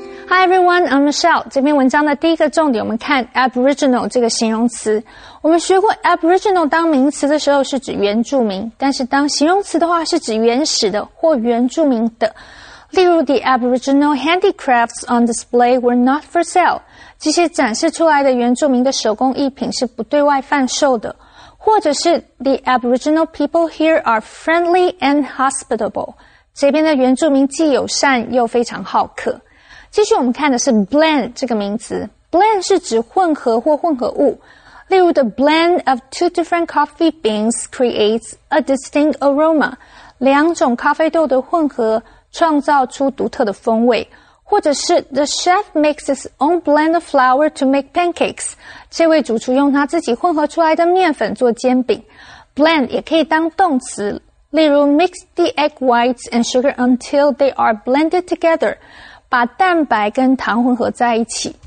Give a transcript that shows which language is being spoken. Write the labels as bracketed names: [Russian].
[English] Hi everyone, I'm Michelle. [Chinese] 这篇文章的第一个重点我们看 Aboriginal 这个形容词。我们学过 Aboriginal 当名词的时候是指原住民，但是当形容词的话是指原始的或原住民的。例如 [English] the Aboriginal handicrafts on display were not for sale. [Chinese] 这些展示出来的原住民的手工艺品是不对外贩售的。或者是 [English] the Aboriginal people here are friendly and hospitable. [Chinese] 这边的原住民既友善又非常好客。继续我们看的是 blend 这个名词。blend 是指混合或混合物。例如 [English] the blend of two different coffee beans creates a distinct aroma. [Chinese] 两种咖啡豆的混合创造出独特的风味。或者是 [English] the chef makes his own blend of flour to make pancakes. [Chinese] 这位主厨用他自己混合出来的面粉做煎饼。 blend 也可以当动词。例如 [English] mix the egg whites and sugar until they are blended together. [Chinese] 把蛋白跟糖混合在一起。